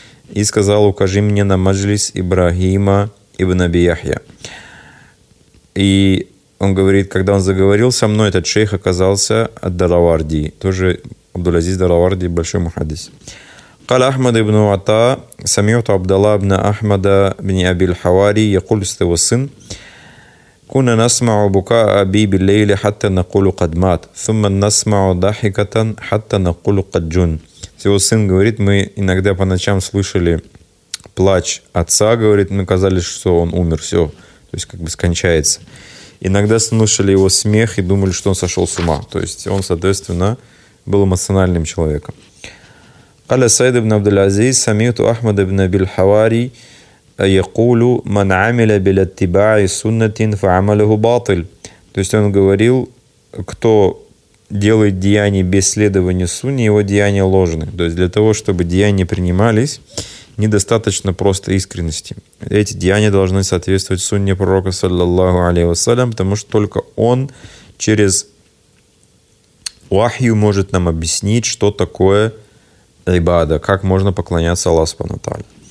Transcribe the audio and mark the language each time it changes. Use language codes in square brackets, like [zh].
[ru] и сказал: «Укажи мне на маджлис Ибрахима ибн Аби Яхья». И он говорит, когда он заговорил со мной, этот шейх оказался от Даравардии, тоже Абдул-Азиз Даравардии, большой мухаддис. [ar] قال أحمد بن عطاء سمعت عبد الله بن أحمد بن أبي الحواري يقول استوى السن كنا نسمع بكاء أبي بالليل حتى نقول قد مات ثم نسمع ضحكة حتى نقول قد جن. [ru] Его сын говорит, мы иногда по ночам слышали плач отца, говорит, мы казали, что он умер, все, то есть как бы скончается. Иногда слышали его смех и думали, что он сошел с ума, то есть он, соответственно, был эмоциональным человеком. [ar] قال سيد بن عبد العزيز سمعت أحمد بن أبي الحواري يقول من عمل بالاتباع سنة فعمله باطل. [ru] То есть он говорил, кто делает деяния без следования сунне, его деяния ложны. То есть для того, чтобы деяния принимались, недостаточно просто искренности. Эти деяния должны соответствовать сунне пророка, саллаллаху алейхи вассалям, потому что только он через вахью может нам объяснить, что такое ибада, как можно поклоняться Аллаху Субхану ва Тааля.